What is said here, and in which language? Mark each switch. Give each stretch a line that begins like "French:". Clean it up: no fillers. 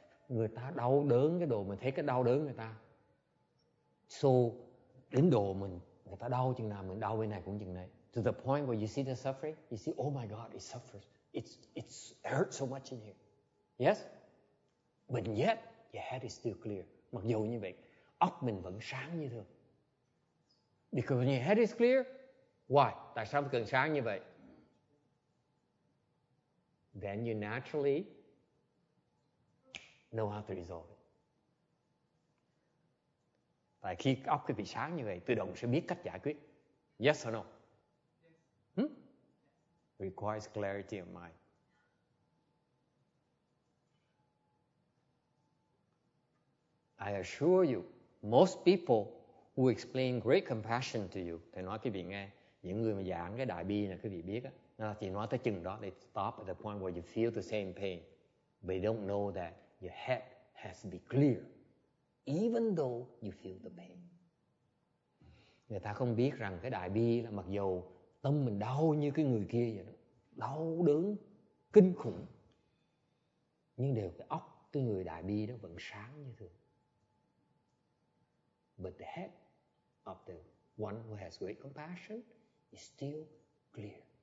Vietnamese: Người ta đau đớn cái đồ mình thấy cái đau đớn người ta. So, đến đồ mình, người ta đau chừng nào mình đau bên này cũng chừng đấy.
English: To the point where you see the suffering, you see, oh my God, it suffers. It hurts so much in here. Yes? But yet, your head is still clear.
Vietnamese: Mặc dù như vậy, óc mình vẫn sáng như thường.
English: Because when your head is clear, why?
Vietnamese: Tại sao cần sáng như vậy?
English: Then you naturally know how to resolve it.
Vietnamese: Tại khi óc quý vị sáng như vậy, tự động sẽ biết cách giải quyết.
English: Yes or no? Requires clarity of mind. I assure you, most people who explain great compassion to you,
Vietnamese: thầy nói quý vị nghe, những người mà giảng cái đại bi này quý vị biết á, chỉ nói tới chừng đó,
English: they stop at the point where you feel the same pain. They don't know that your head has to be clear, even though you feel the pain.
Vietnamese: Người ta không biết rằng cái đại bi là mặc dù tâm mình đau như cái người kia vậy đó, đau đớn, kinh khủng, nhưng đều cái óc cái người đại bi đó vẫn sáng như thường.
English: But the head of the one who has great compassion is still clear.